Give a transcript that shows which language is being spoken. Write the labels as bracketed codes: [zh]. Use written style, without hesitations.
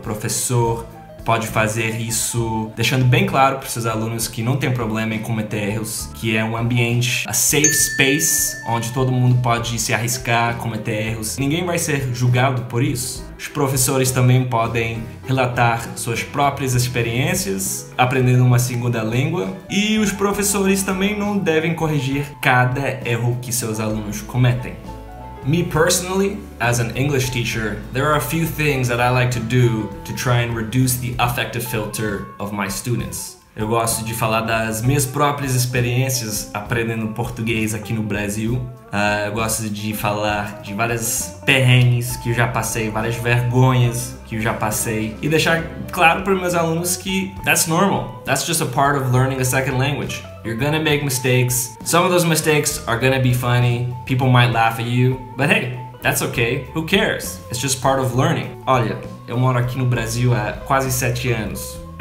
[pt] Professor pode fazer isso deixando bem claro para seus alunos que não tem problema em cometer erros, que é ambiente, [en] a safe space, [pt] onde todo mundo pode se arriscar, cometer erros. Ninguém vai ser julgado por isso. Os professores também podem relatar suas próprias experiências aprendendo uma segunda língua. E os professores também não devem corrigir cada erro que seus alunos cometem. [en] Me personally, as an English teacher, there are a few things that I like to do to try and reduce the affective filter of my students. [pt] Eu gosto de falar das minhas próprias experiências aprendendo português aqui no Brasil. Eu gosto de falar de várias perrengues que eu já passei, várias vergonhas que eu já passei. E deixar claro para meus alunos que [en] that's normal. That's just a part of learning a second language. You're gonna make mistakes. Some of those mistakes are gonna be funny. People might laugh at you. But hey, that's okay. Who cares? It's just part of learning. [pt] Olha, eu moro aqui no Brasil há quase 7 anos.